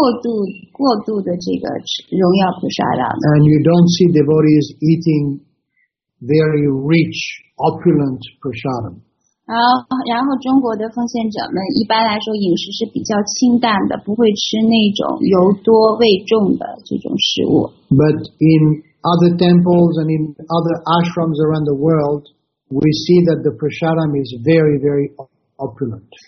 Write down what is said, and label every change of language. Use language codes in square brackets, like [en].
[zh] 这个在中国的这个奉献者有一个有利的地方，就是说奉献者基本上是没有机会过度的这个荣耀菩萨的。 [en] And you don't see devotees eating very rich, opulent prasadam. [zh] 然后中国的奉献者们一般来说饮食是比较清淡的，不会吃那种油多味重的这种食物。 [en] But in other temples and in other ashrams around the world, we see that the prasadam is very, very opulent.